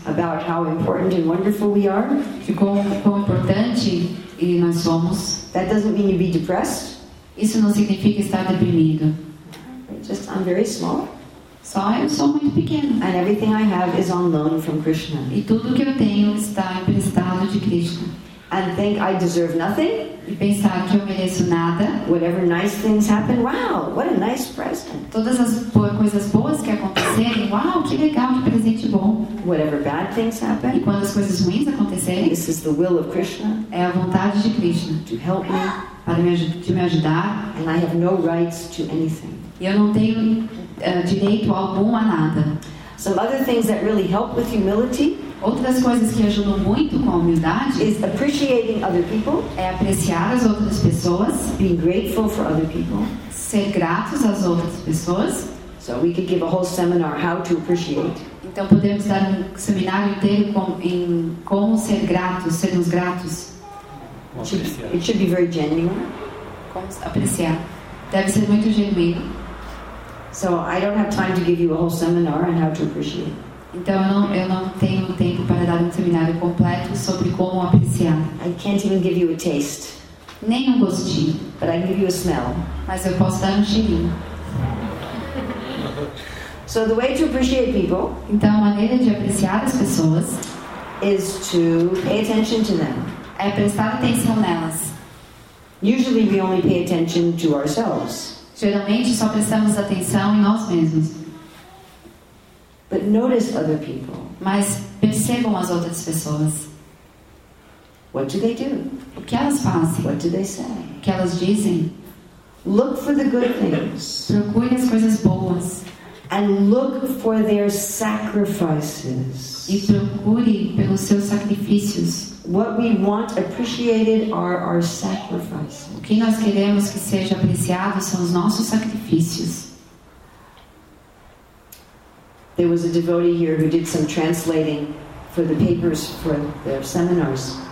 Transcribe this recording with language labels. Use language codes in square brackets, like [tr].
[en] About how important and wonderful we are. [pt] Quão importante e nós somos. [en] That doesn't mean you be depressed. [pt] Isso não significa estar deprimido. [en] Just I'm very small. [pt] Só eu sou muito pequeno. [en] And everything I have is on loan from Krishna. [pt] E tudo que eu tenho está emprestado de Krishna. [en] And think I deserve nothing. [pt] E pensar que eu mereço nada. [en] Whatever nice things happen, wow, what a nice present. [pt] Todas as coisas boas que acontecerem, wow, que legal, que presente bom. [en] Whatever bad things happen. [pt] E quando as coisas ruins acontecerem, [en] this is the will of Krishna. [pt] É a vontade de Krishna. [en] To help me. [pt] Para me ajudar. [en] And I have no rights to anything. [pt] E eu não tenho direito algum a nada. [en] Some other things that really help with humility. [pt] Outras coisas que ajudam muito com a humildade [en] is appreciating other people, [pt] é apreciar as outras pessoas, [en] being grateful for other people, [pt] ser gratos às outras pessoas. [en] So we could give a whole seminar how to appreciate. [pt] Então podemos dar um seminário inteiro em como ser gratos, sermos gratos. [en] It should be very genuine. [pt] Como apreciar. Deve ser muito genuíno. [en] So I don't have time to give you a whole seminar on how to appreciate. [pt] Então eu não tenho tempo para dar um seminário completo sobre como apreciar. [en] I can't even give you a taste. [pt] Nem um gostinho. [en] But I can give you a smell. [pt] Mas eu posso dar um cheirinho. [en] So the way to appreciate people, [pt] então a maneira de apreciar as pessoas, [en] is to pay attention to them. [pt] É prestar atenção nelas. [en] Usually we only pay attention to ourselves. [pt] Geralmente só prestamos atenção em nós mesmos. [en] But notice other people. [pt] Mas percebam as outras pessoas. [en] What do they do? [pt] O que elas fazem? [en] What do they say? [pt] O que elas dizem? [en] Look for the good things. [pt] Procure as coisas boas. [en] And look for their sacrifices. [pt] E procure pelos seus sacrifícios. [en] What we want appreciated are our sacrifices. [pt] O que nós queremos que seja apreciado são os nossos sacrifícios. [en] There was a devotee here who did some translating for the papers for their seminars.